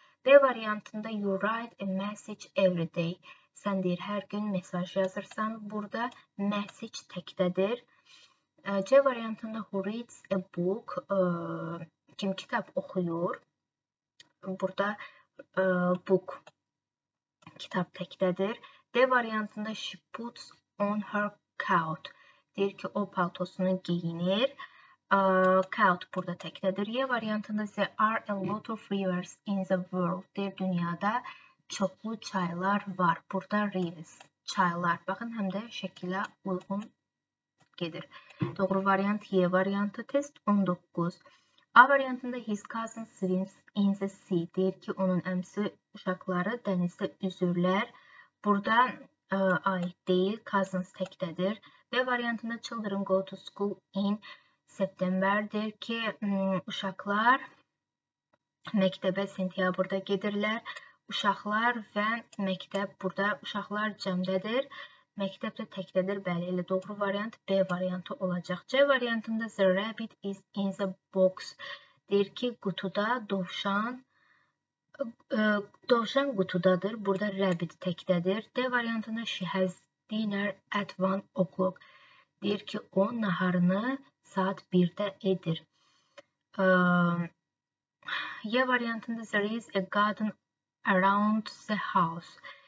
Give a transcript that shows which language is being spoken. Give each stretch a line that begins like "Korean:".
Azerbaijani: B variantında
English: you write a message every day.
Azerbaijani: Sən deyir, hər gün mesaj yazırsan. Burada message təkdədir. C variantında
English: who reads a book.
Azerbaijani: Kim kitab oxuyur? Burada book, kitab təkdədir. D variantında
English: she puts on her coat.
Azerbaijani: Deyir ki, o paltosunu geyinir. Coat burada təkdədir. E variantında
English: there are a lot of rivers in the world.
Azerbaijani: Deyir, dünyada çoxlu çaylar var. Burada rivers, çaylar. Baxın, həm də şəkilə uyğun gedir. Doğru variant E variantı. Test 19. A variantında
English: his cousin swims in the sea.
Azerbaijani: Deyir ki, onun əmsi uşaqları dənizdə üzürlər. Burada aid deyil, cousins təkdədir. B variantında
English: children go to school in September-
Azerbaijani: dir ki, uşaqlar məktəbə sentyabrda gedirlər. Uşaqlar və məktəb burada uşaqlar cəmdədir. Məktəb də təkdədir, bəli, elə doğru variant B variantı olacaq. C variantında
English: the rabbit is in the box.
Azerbaijani: Deyir ki, qutuda dovşan. Dovşan qutudadır. Burada rabbit təkdədir. D variantında
English: she has dinner at 1 o'clock.
Azerbaijani: Deyir ki, o naharını saat 1-də edir. E variantında
English: there is a garden around the house.